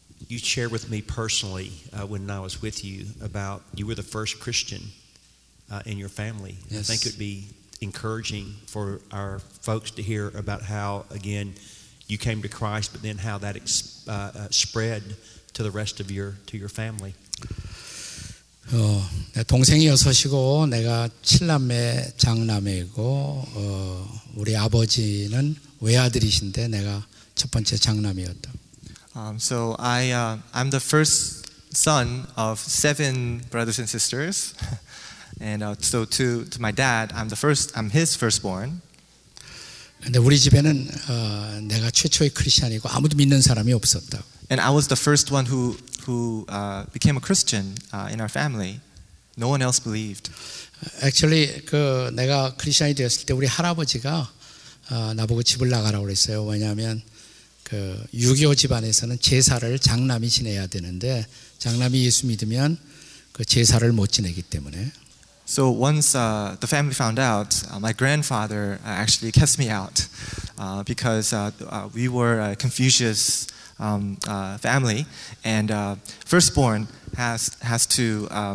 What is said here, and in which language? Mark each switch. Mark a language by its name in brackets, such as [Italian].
[English] You shared with me personally when I was with you about you were the first Christian in your family. Yes. I think it would be encouraging for our folks to hear about how, again, you came to Christ, but then how that spread to the rest of your family. [Korean] 동생이 여섯이고 내가 칠남매 장남이고 우리 아버지는 외아들이신데 내가 첫 번째 장남이었다. [English] So I'm the first son of seven brothers and sisters, and so to my dad, I'm his firstborn. [Korean] 근데 우리 집에는 내가 최초의 크리스천이고 아무도 믿는 사람이 없었다. [English] And I was the first one who became a Christian in our family. No one else believed. [Korean] Actually, 그 내가 크리스천이 되었을 때 우리 할아버지가 나보고 집을 나가라고 그랬어요. 왜냐하면 그 유교 집안에서는 제사를 장남이 지내야 되는데 장남이 예수 믿으면 그 제사를 못 지내기 때문에. [English] So once the family found out, my grandfather actually cast me out because we were a Confucius family, and firstborn has to